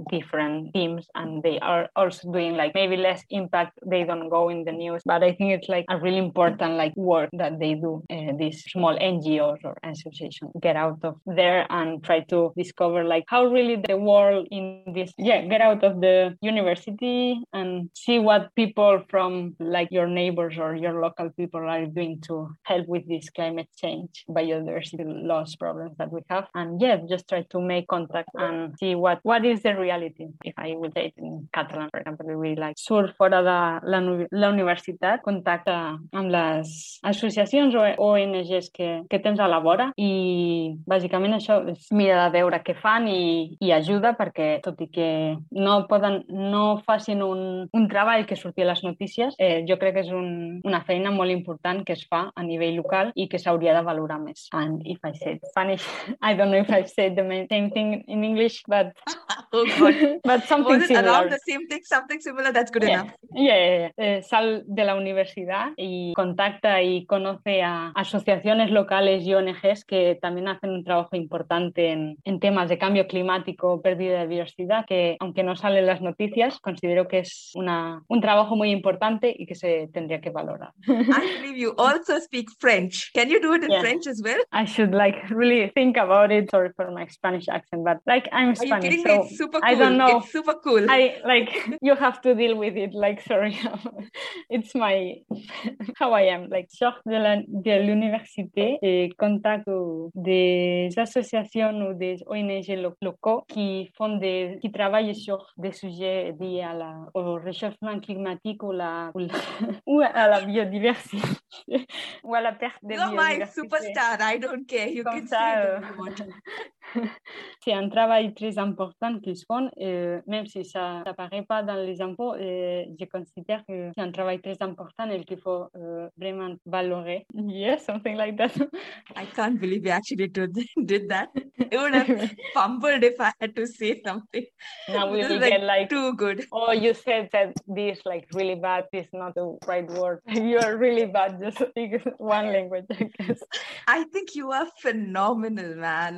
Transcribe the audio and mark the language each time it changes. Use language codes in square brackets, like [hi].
[en] different teams, and they are also doing like maybe less impact, they don't go in the news, but I think it's like a really important like work that they do, these small NGOs or associations, get out of there and try to discover like how really the world in this, yeah, get out of the university and see what people from like your neighbors or your local people are doing to help with this climate change, biodiversity loss problems that we have. And yeah, just try to make contact and see what is the reality. If I would say it in Catalan, for example, we like [ca] sur fora de la universitat, contacta amb les associacions o ONGs que tens a la vora, i bàsicament això és mira de veure què fan i ajuda, perquè tot i que no poden, no facin un treball que surti a les notícies, jo crec que és una feina molt important que es fa a nivell local i que s'hauria de valorar més. [en] And if I said Spanish, I don't know if I said the same thing in English, but but something similar. Around the same thing, something similar, that's good enough. Yeah. [es] Sal de la universidad y contacta y conoce a asociaciones locales y ONGs que también hacen un trabajo importante en temas de cambio climático, pérdida de biodiversidad, que aunque no salen las noticias, considero que es un trabajo muy importante y que se tendría que valorar. [en] I believe you also speak French. Can you do it in French as well? I should like really think about it, sorry for my Spanish accent, but like I'm Spanish. Are you kidding me? It's super cool. I don't know. It's super cool. I like you have to deal with it. Like sorry, it's my how I am. [fr] Like sort de l'université et contact des associations ou des locaux qui font des, qui travaillent sur des sujets liés à la, au réchauffement climatique ou, la, ou, la, ou à la biodiversité ou à la perte de [en] You're [fr] biodiversité. [en] You're my superstar, I don't care, you [fr] Comme [en] can [fr] ça, [en] it if you want. [fr] C'est un travail très important qu'ils font, même si ça n'apparaît pas dans les impôts, je considère que c'est un travail très important et qu'il faut vraiment valorer. [en] Yeah, something like that. I can't believe you actually did that. It would have fumbled if I had to say something. Now we will like get like too good. Oh, you said that this like really bad is not the right word. You are really bad. Just speak one language, I guess. I think you are phenomenal, man.